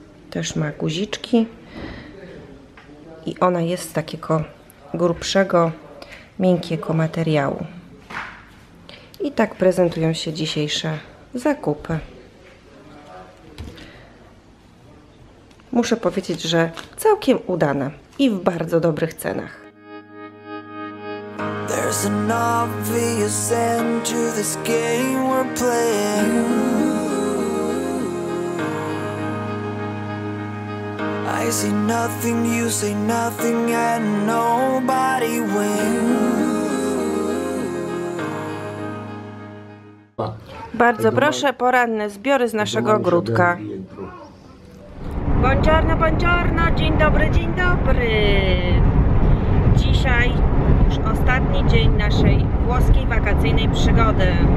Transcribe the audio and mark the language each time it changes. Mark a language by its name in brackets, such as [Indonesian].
[Polish] Też ma guziczki. I ona jest z takiego grubszego, miękkiego materiału. I tak prezentują się dzisiejsze zakupy. Muszę powiedzieć, że całkiem udane i w bardzo dobrych cenach. [English] There's an obvious end to this game we're playing. I see nothing, you say nothing, and nobody wins. [Polish] Bardzo proszę, poranne zbiory z naszego ogródka. [Italian] Buongiorno, buongiorno, [Polish] dzień dobry, dzień dobry. Dzisiaj już ostatni dzień naszej włoskiej wakacyjnej przygody.